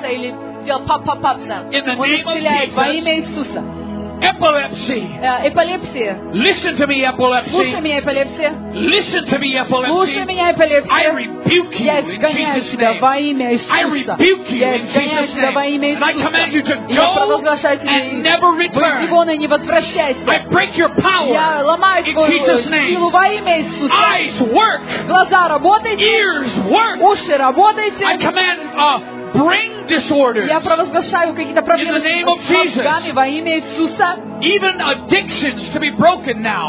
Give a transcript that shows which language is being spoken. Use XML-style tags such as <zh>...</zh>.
<en>Или дел пап-пап-пап. In the name of Jesus.</en> <ru>Во имя Иисуса.</ru> <en>Epilepsy.</en> <ru>Эпилепсия.</ru> <en>Listen to me, epilepsy.</en> <ru>Слушай меня, эпилепсия.</ru> <en>Listen to me, epilepsy.</en> <ru>Слушай меня, эпилепсия.</ru> <en>I rebuke you in Jesus' name.</en> <ru>Я изгоняю тебя во имя Иисуса.</ru> <en>I rebuke you in Jesus' name.</en> <ru>Я изгоняю тебя во имя Иисуса.</ru> <en>And I command you to go and never return. I break your power.</en> <ru>Я ломаю твою силу во имя Иисуса.</ru> <en>Eyes work.</en> <ru>Глаза работайте.</ru> <en>Ears work.</en> <ru>Уши работайте.</ru> <en>I command brain disorders.</en> <ru>Я провозглашаю какие-то проблемы с мозгами во имя Иисуса.</ru> <en>Even addictions to be broken now.</en>